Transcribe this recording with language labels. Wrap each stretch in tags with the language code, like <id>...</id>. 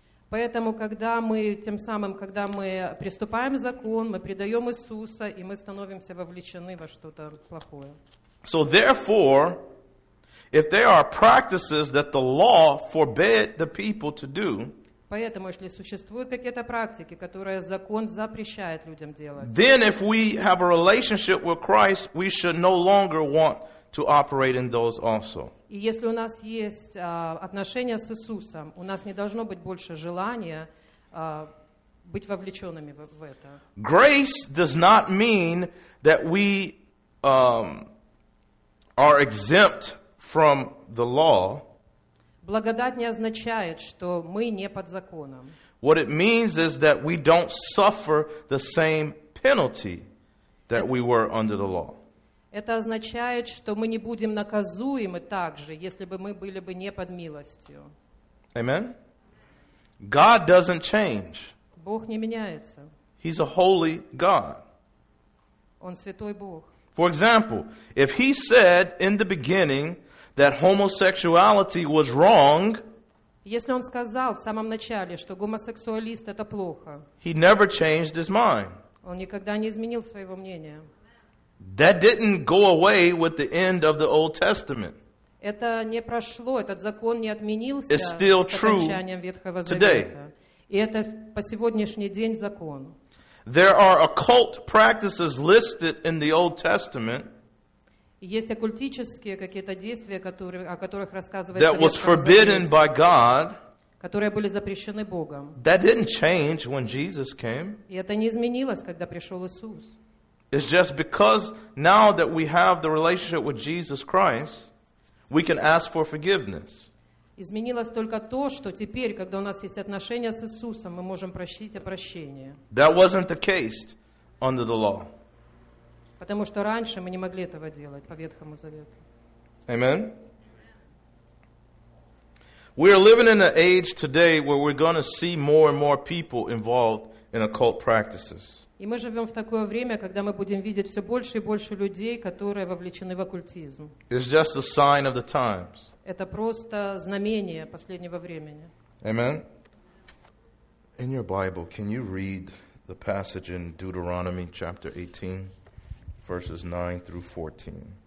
<ru>Поэтому, когда мы тем самым, когда мы приступаем к закону, мы предаем Иисуса, и мы становимся вовлечены во что-то плохое.</ru> <en>So therefore, if there are practices that the law forbade the people to do,</en> <ru>поэтому, если существуют какие-то практики, которые закон запрещает людям делать,</ru> <en>then if we have a relationship with Christ, we should no longer want to operate in those also.</en> <ru>И если у нас есть отношения с Иисусом, у нас не должно быть больше желания быть вовлеченными в это.</ru> <en>Grace does not mean that we are exempt from the law.</en> <ru>Благодать не означает, что мы не под законом.</ru> <en>What it means is that we don't suffer the same penalty that we were under the law.</en> <ru>Это означает, что мы не будем наказуемы так же, если бы мы были бы не под милостью.</ru> <en>Amen. God doesn't change.</en> <ru>Бог не меняется.</ru> <en>He's a holy God.</en> <ru>Он святой Бог.</ru> <en>For example, if he said in the beginning that homosexuality was wrong,</en> <ru>если он сказал в самом начале, что гомосексуалист это плохо,</ru> <en>he never changed his mind.</en> <ru>Он никогда не изменил своего мнения.</ru> <en>That didn't go away with the end of the Old Testament.</en> <ru>Это не прошло, этот закон не отменился.</ru> <en>It's still true today.</en> <ru>И это по сегодняшний день закон.</ru> <en>There are occult practices listed in the Old Testament.</en> <ru>Есть оккультические какие-то действия, которые, о которых рассказывается.</ru> <en>That was forbidden by God.</en> <ru>Которые были запрещены Богом.</ru> <en>That didn't change when Jesus came.</en> <ru>И это не изменилось, когда пришел Иисус.</ru> <en>It's just because now that we have the relationship with Jesus Christ, we can ask for forgiveness.</en> <ru>Изменилось только то, что теперь, когда у нас есть отношения с Иисусом, мы можем просить о прощении.</ru> <en>That wasn't the case under the law.</en> <ru>Потому что раньше мы не могли этого делать по Ветхому Завету.</ru> <en>Amen. We are living in an age today where we're going to see more and more people involved in occult practices.</en> <ru>И мы живем в такое время, когда мы будем видеть все больше и больше людей, которые вовлечены в оккультизм.</ru> <en>It's just a sign of the times.</en> <ru>Это просто знамение последнего времени.</ru> <en>Amen. In your Bible, can you read the passage in Deuteronomy chapter 18, verses 9 through 14?</en>